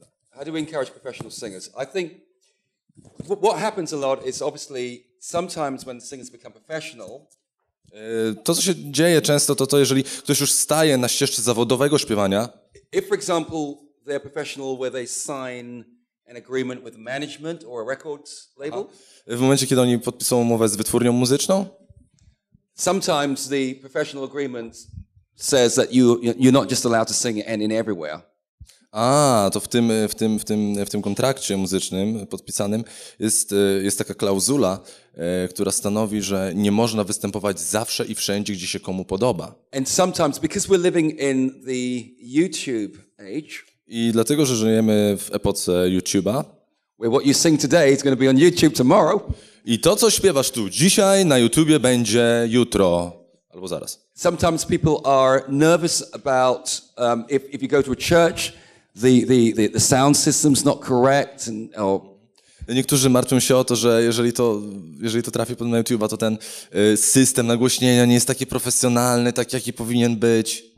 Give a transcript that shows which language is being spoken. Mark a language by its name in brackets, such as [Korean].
[English] How do we encourage professional singers? I think what happens a lot is obviously sometimes when singers become professional. [Polish] To, co się dzieje często, to jeżeli ktoś już staje na ścieżce zawodowego śpiewania. [English] If, for example, they're professional where they sign an agreement with management or a records label. [Polish] W momencie, kiedy oni podpisują umowę z wytwórnią muzyczną. [English] Sometimes the professional agreement says that you're not just allowed to sing and in everywhere. [Polish] To w tym kontrakcie muzycznym podpisanym jest taka klauzula, która stanowi, że nie można występować zawsze i wszędzie, gdzie się komu podoba. [English] And sometimes because we're living in the YouTube age. [Polish] I dlatego, że żyjemy w epoce YouTube'a. [English] Where what you sing today is going to be on YouTube tomorrow. [Polish] I to, co śpiewasz tu dzisiaj na YouTubie, będzie jutro albo zaraz. [English] Sometimes people are nervous about if you go to a church, the sound system's not correct and or [Polish] Niektórzy martwią się o to, że jeżeli to trafi pod na YouTube, to ten system nagłośnienia nie jest taki profesjonalny, tak jaki powinien być.